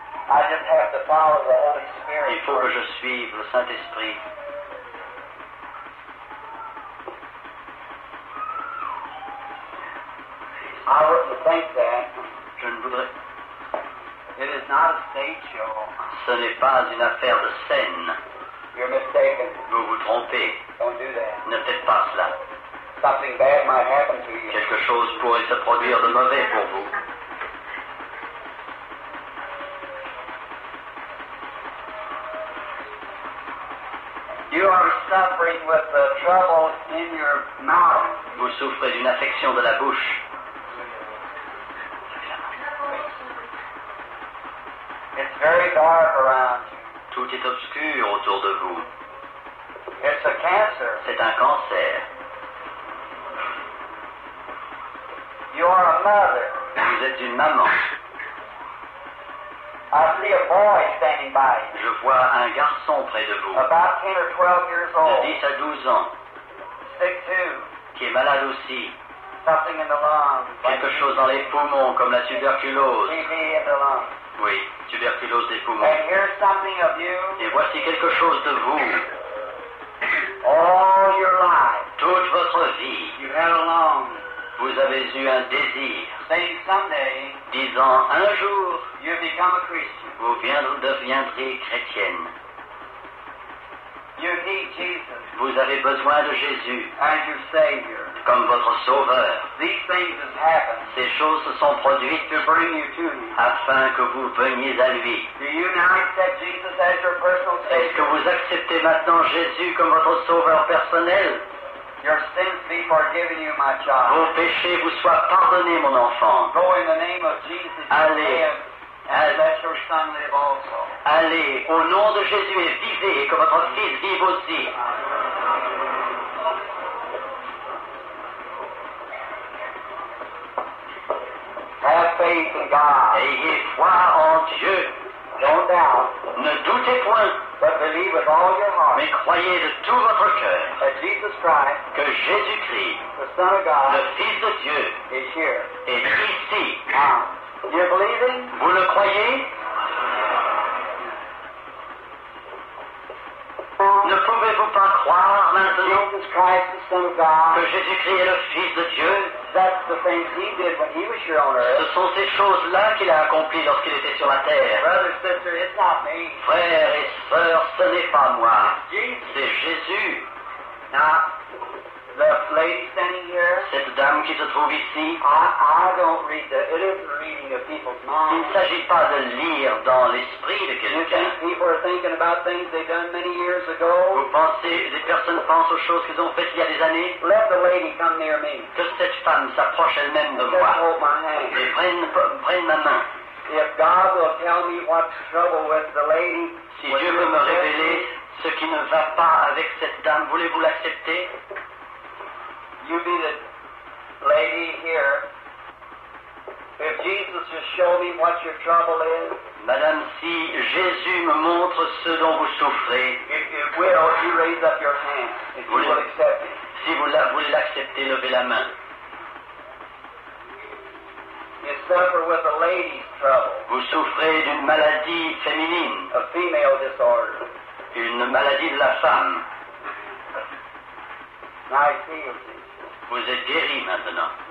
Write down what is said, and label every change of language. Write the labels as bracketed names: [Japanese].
[English] I just have to follow the Holy Spirit. [French] Il faut que je suive le Saint-Esprit. [English] I wouldn't think that. [French] Je ne voudrais. [English] It is not a stage show. [French] Ce n'est pas une affaire de scène. [English] You're mistaken. [French] Vous vous trompez. [English] Don't do that. [French] Ne faites pas cela. [English] Something bad might happen to you. [French] Quelque chose pourrait se produire de mauvais pour vous. [English] You are suffering with trouble in your mouth. [French] Vous souffrez d'une affection de la bouche. [English] It's very dark around you. [French] Tout est obscur autour de vous. [English] It's a cancer. [French] C'est un cancer. [English] You are a mother. [French] Vous êtes une maman. [English] I see a boy standing by. [French] Je vois un garçon près de vous. [English] About 10 or 12 years old. [French] De 10 à 12 ans. [English] Sick too. [French] Qui est malade aussi. [English] Something in the lungs. [French] Quelque chose dans les poumons, comme la tuberculose. [English] TB in the lungs. [French] Oui, tuberculose des poumons. [English] And here's something of you. [French] Et voici quelque chose de vous. [English] All your life. [French] Toute votre vie. [English] You had a lung. [French] Vous avez eu un désir. [English] Saying someday. [French] Disant un jour. [English] You become a Christian. [French] Vous deviendrez chrétienne. [English] You need Jesus. [French] Vous avez besoin de Jésus. [English] As your Savior. [French] Comme votre sauveur. [English] These things have happened. [French] Ces choses se sont produites. [English] To bring you to me. [French] Afin que vous veniez à lui. [English] Do you now accept Jesus as your personal Savior? [French] Est-ce que vous acceptez maintenant Jésus comme votre sauveur personnel? [English] Your sins be forgiven you, my child. [French] Vos péchés vous soient pardonnés, mon enfant. [English] Go in the name of Jesus. [French] Allez. [English] And let your son live also. [French] Allez, au nom de Jésus, et vivez, et que votre fils vive aussi. [English] Have faith in God. [French] Ayez foi en Dieu. [English] Don't doubt. [French] Ne doutez point. [English] But believe with all your heart. [French] Mais croyez de tout votre cœur. [English] That Jesus Christ. [French] Que Jésus-Christ. [English] The Son of God. [French] Le Fils de Dieu. [English] Is here. [French] Est ici. [English] Now. You're believing? [French] Vous le croyez? Ne pouvez-vous pas croire maintenant [English] Jesus Christ, the Son of God, [French] que Jésus-Christ est le Fils de Dieu? [English] That's the things he did when he was here on earth. [French] Ce sont ces choses-là qu'il a accomplies lorsqu'il était sur la terre. [English] Brother, sister, it's not me. [French] Frères et sœurs, ce n'est pas moi. [English] Jesus. [French] C'est Jésus. [English] Now, the lady standing here, [French] cette dame qui se trouve ici, [English] It isn't reading of people's minds. [French] Il ne s'agit pas de lire dans l'esprit de quelqu'un. [English] People are thinking about things they've done many years ago. [French] Vous pensez, les personnes pensent aux choses qu'elles ont faites il y a des années. [English] Let the lady come near me. [French] Que cette femme s'approche elle-même de moi. [English] Hold my hand. [French] Et prenne ma main. [English] If God will tell me what's trouble with the lady, [French] si Dieu veut me révéler ce qui ne va pas avec cette dame, voulez-vous l'accepter? [English] You be the lady here. If Jesus will show me what your trouble is, [French] Madame, si Jésus me montre ce dont vous souffrez, [English] you raise up your hand. If you will accept me. [French] Si vous la voulez l'accepter, levez la main. [English] You suffer with a lady's trouble. [French] Vous souffrez d'une maladie féminine. [English] A female disorder. [French] Une maladie de la femme. [English] I feel you. [French] Vous êtes guéri maintenant.